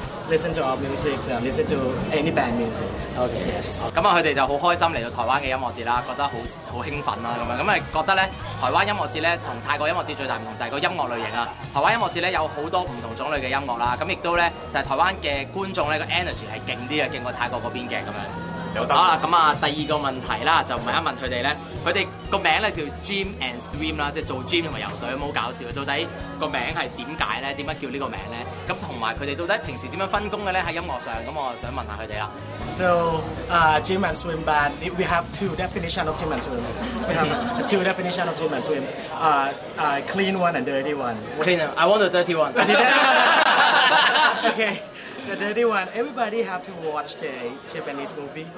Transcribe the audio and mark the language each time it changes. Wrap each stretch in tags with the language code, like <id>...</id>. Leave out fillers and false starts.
<en>Listen to our music, listen to any band music. Okay, yes.</en> <yue>咁啊，佢哋就好開心嚟到台灣嘅音樂節啦，覺得好興奮啦咁樣。咁啊，覺得咧，台灣音樂節咧同泰國音樂節最大唔同就係個音樂類型啊。台灣音樂節咧有好多唔同種類嘅音樂啦，咁亦都咧就係台灣嘅觀眾咧個 energy 係勁啲啊，勁過泰國嗰邊嘅咁樣。好啦，咁啊，第二個問題啦，就問一問佢哋咧，佢哋個名咧叫 Gym and Swim 啦，即係做 gym 同埋游水，冇搞笑。到底個名係點解咧？點解叫呢個名咧？咁同埋佢哋到底平時點樣分工嘅咧？喺音樂上，咁我想問下佢哋啦。</yue> <en>So, gym and swim band, we have two definition of gym and swim. We have two definition of gym and swim. Clean one and dirty one. Clean one. I want the dirty one. Okay. The dirty one. Everybody have to watch the Japanese movie.</en>